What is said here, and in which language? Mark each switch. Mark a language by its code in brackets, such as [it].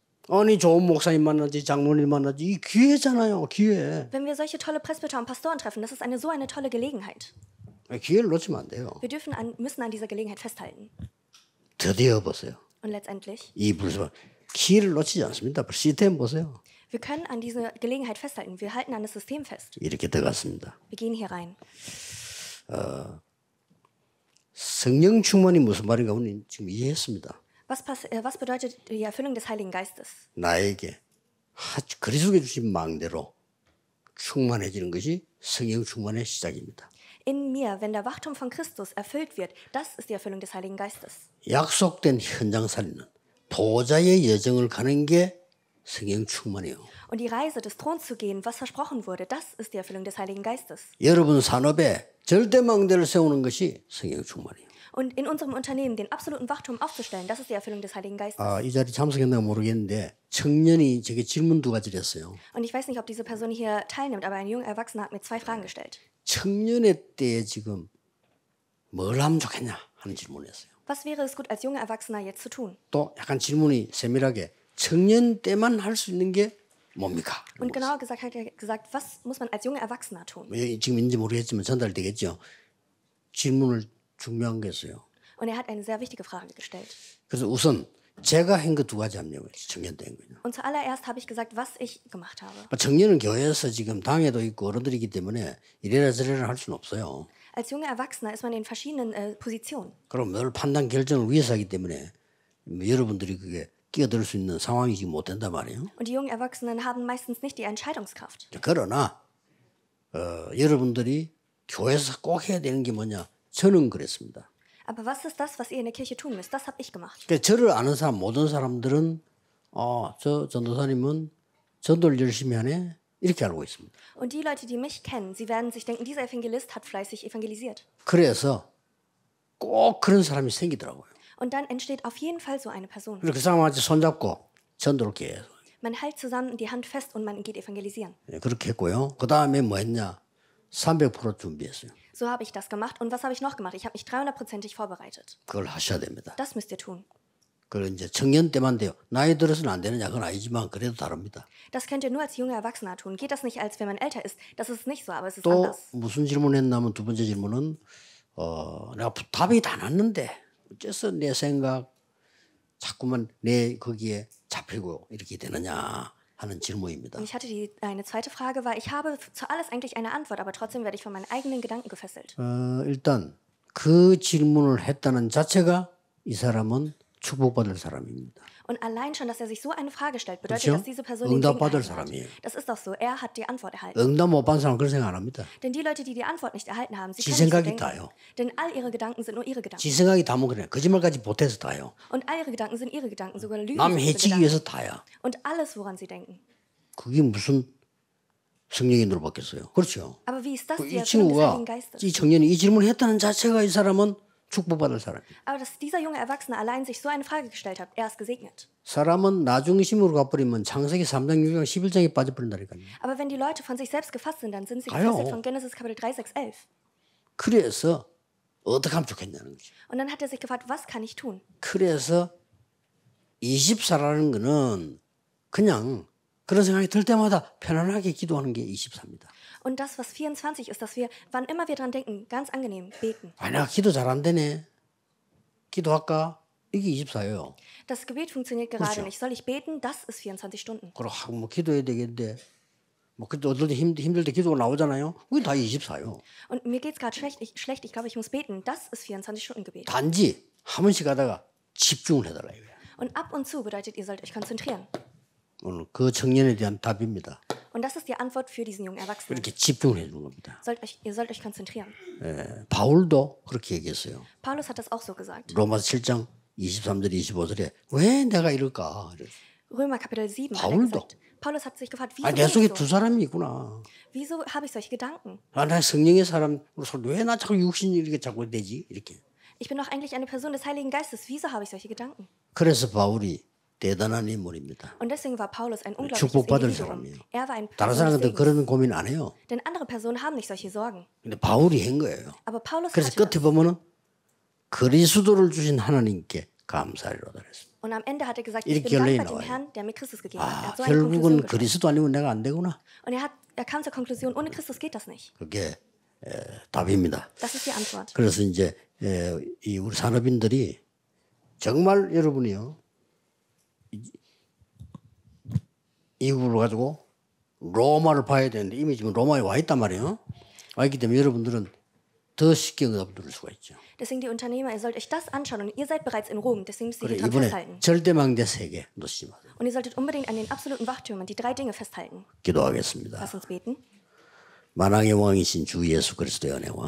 [ko] 아니 좋은 목사님 만나지 장로님 만나지 이 기회잖아요 기회. [de] Wenn wir solche tolle Presbyter und Pastoren treffen, das ist eine so eine tolle Gelegenheit. [ko] 기회를 놓치면 안 돼요. [de] Wir dürfen müssen an dieser Gelegenheit festhalten. [ko] 드디어 보세요. [de] Und letztendlich? [ko] 이 불소 키를 놓치지 않습니다. 시스템 보세요. [de] Wir können an diese Gelegenheit festhalten. Wir halten an das System fest. [ko] 이렇게 들어갔습니다. [de] Wir gehen hier rein. [ko] 성령 충만이 무슨 말인가 오늘 지금 이해했습니다. [de] Was bedeutet die Erfüllung des Heiligen Geistes? [ko] 나에게 그리스도께 주신 망대로 충만해지는 것이 성령 충만의 시작입니다. [de] In mir, wenn der Wachtum von Christus erfüllt wird, das ist die Erfüllung des Heiligen Geistes. [ko] 약속된 현장 살리는 보좌의 여정을 가는 게 성령 충만이요. [de] Und die Reise des Throns zu gehen, was versprochen wurde, das ist die Erfüllung des Heiligen Geistes. [ko] 여러분 산업에 절대 망대를 세우는 것이 성령 충만이요. [de] Und in unserem Unternehmen den absoluten Wachtum aufzustellen, das ist die Erfüllung des Heiligen Geistes. [ko] 아, 이 자리 참석했나 모르겠는데 청년이 저게 질문 두 가지를 했어요. [de] Und ich weiß nicht, ob diese Person hier teilnimmt, aber ein junger Erwachsener hat mir zwei Fragen gestellt. [ko] 청년의 때에 지금 뭘 하면 좋겠냐 하는 질문을 했어요. [de] Was wäre es gut als junger Erwachsener jetzt zu tun? [ko] 또 약간 질문이 세밀하게 청년 때만 할 수 있는 게 뭡니까? [de] Und genauer gesagt hat er gesagt, was muss man als junger Erwachsener tun? [ko] 지금 인지 모르겠지만 전달되겠죠. 질문을 중요한 게 있어요. [de] Und er hat eine sehr wichtige Frage gestellt. [ko] 그래서 우선 제가 한 거 두 가지 합니다. 청년 때 한 거. [de] Und zuallererst habe ich gesagt, was ich gemacht habe. [ko] 청년은 교회에서 지금 당에도 있고 어른들이기 때문에 이래라 저래라 할 수는 없어요. [de] Als junger Erwachsener ist man in verschiedenen Positionen. [ko] 그럼 늘 판단 결정을 위해서 하기 때문에 여러분들이 그게 끼어들 수 있는 상황이 지금 못 된다 말이에요. [de] Und die jungen Erwachsenen haben meistens nicht die Entscheidungskraft. [ko] 그러나 여러분들이 교회에서 꼭 해야 되는 게 뭐냐? 저는 그랬습니다. [de] Aber was ist das, was ihr in der Kirche tun müsst? Das habe ich gemacht. [ko] 그러니까 저를 아는 사람 모든 사람들은 저 전도사님은 전도를 열심히 하네 이렇게 알고 있습니다. [de] Und die Leute, die mich kennen, sie werden sich denken, dieser Evangelist hat fleißig evangelisiert. [ko] 그래서 꼭 그런 사람이 생기더라고요. [de] Und dann entsteht auf jeden Fall so eine Person. [ko] 그 사람한테 손잡고 전도를 계속. [de] Man hält zusammen die Hand fest und man geht evangelisieren. [ko] 네, 그렇게 했고요. 그 다음에 뭐 했냐? 300% 준비했어요. [de] So habe ich das gemacht. Und was habe ich noch gemacht? Ich habe mich 300%ig vorbereitet. [ko] 그걸 하셔야 됩니다. [de] Das müsst ihr tun. [ko] 그걸 이제 청년 때만 돼요. 나이 들어서는 안 되느냐? 그건 아니지만 그래도 다릅니다. [de] Das könnt ihr nur als junger Erwachsener tun. Geht das nicht, als wenn man älter ist? Das ist nicht so, aber es ist [ko] 또 [de] anders. [ko] 또 무슨 질문을 했냐면 두 번째 질문은 내가 답이 다 났는데 어째서 내 생각 자꾸만 내 거기에 잡히고 이렇게 되느냐? 하는 질문입니다. [de] Ich hatte eine zweite Frage, weil ich habe zu alles eigentlich eine Antwort, aber trotzdem werde ich von meinen eigenen Gedanken gefesselt. [ko] 일단 그 질문을 했다는 자체가 이 사람은 축복받을 사람입니다. [de] Und allein schon, dass er sich so eine Frage stellt, bedeutet, [ko] 그렇죠? [de] dass diese Person [ko] 응답받을 사람이에요. [de] Das ist doch so. Er hat die Antwort erhalten. [ko] 응답 못 받은 사람은 그런 생각 안 합니다. [de] Denn die Leute, die die Antwort nicht erhalten haben, sie [ko] 지 생각이 다요. [de] Denn all ihre Gedanken sind nur ihre Gedanken. [ko] 지 생각이 다 뭐 그래. 거짓말까지 못해서 다요. [de] Und all ihre Gedanken sind ihre Gedanken, sogar Lügen. [ko] 남 해치기 위해서 다야. [de] Und alles, woran sie denken. [ko] 그게 무슨 성령인으로 바뀌었어요. 그렇죠. [de] Aber wie ist das, die Erfüllung des Heiligen Geistes? [ko] 이 청년이 이 질문을 했다는 자체가 이 사람은 축복받을 사람. [de] Aber dass dieser junge Erwachsene allein sich so eine Frage gestellt hat, er ist gesegnet. [ko] 사람은 나중심으로 가버리면 창세기 3장 6장 11장에 빠져버린다니까요. [de] Aber wenn die Leute von sich selbst gefasst sind, dann sind sie gefesselt von Genesis Kapitel 3, 6, 11. [ko] 그래서 어떻게 하면 좋겠냐는 거죠. [de] Und dann hat er sich gefragt, was kann ich tun? [ko] 그래서 24라는 거는 그냥 그런 생각이 들 때마다 편안하게 기도하는 게 24입니다. [de] Und das, was 24 ist, dass wir, wann immer wir dran denken, ganz angenehm beten. [ko] 아니야, 기도 잘 안 되네. 기도할까? 이게 24예요. [de] Das Gebet funktioniert gerade [ko] 그렇죠. [de] nicht. Soll ich beten? Das ist 24 Stunden. [ko] 그럼 뭐 기도해야 되겠는데. 뭐 그때 어떨 때 힘들 때 기도가 나오잖아요. 그게 다 24예요. [de] Und mir geht's gerade schlecht. Ich glaube, ich muss beten. Das ist 24 Stunden Gebet. [ko] 단지 한 번씩 가다가 집중을 해달라 이거야. [de] Und ab und zu bedeutet, ihr sollt euch konzentrieren. [ko] 오늘 그 청년에 대한 답입니다. [de] Und das ist die Antwort für diesen jungen Erwachsenen. [ko] 이렇게 집중을 해주는 겁니다. [de] Ihr sollt euch konzentrieren. [ko] 예, 바울도 그렇게 얘기했어요. [de] Paulus hat das auch so gesagt. [ko] 로마서 7장 23절 25절에 왜 내가 이럴까? [de] Römer Kapitel 7. [ko] 바울도. [de] Paulus hat sich gefragt, wieso. [ko] 아, 내 속에 두 사람이 있구나. [de] Wieso habe ich solche Gedanken? [ko] 아, 나 성령의 사람으로서 왜 나 자꾸 육신이 이렇게 자꾸 되지 이렇게. [de] Ich bin doch eigentlich eine Person des Heiligen Geistes. Wieso habe ich solche Gedanken? [ko] 그래서 바울이 대단한 인물입니다. [de] Und deswegen war Paulus ein unglaublich. [ko] 축복받은 사람이에요. [de] Er war ein. [ko] 다른 사람들은 그런 고민 안 해요. [de] Denn andere Personen haben nicht solche Sorgen. [ko] 근데 바울이 한 거예요. [de] Aber Paulus. [ko] 그래서 끝에 보면은 그리스도를 주신 하나님께 감사하리로다 그랬어요. [de] Und am Ende hat er gesagt, ich bin dankbar dem Herrn, der mir Christus gegeben hat. [ko] 아, 결국은 그리스도 아니면 내가 안 되구나. [de] Und er kam zur Konklusion, ohne Christus geht das nicht. [ko] 그게 답입니다. [de] Das ist die Antwort. [ko] 그래서 이제 이 우리 산업인들이 정말 여러분이요 이걸 가지고 로마를 봐야 되는데 이미 지금 로마에 와 있단 말이에요. 와 있기 때문에 여러분들은 더 쉽게 응답을 들을 수가 있죠. [de] Deswegen die Unternehmer, ihr sollt euch das anschauen und ihr seid bereits in Rom. Deswegen müsst ihr die dran festhalten. [ko] 절대망대 세 개 놓치지 마세요. [de] Und ihr solltet unbedingt an den absoluten Wachtürmen die drei Dinge festhalten. [ko] 기도하겠습니다. [de] Lass uns beten. [ko] 만왕의 왕이신 주 예수 그리스도의 은혜와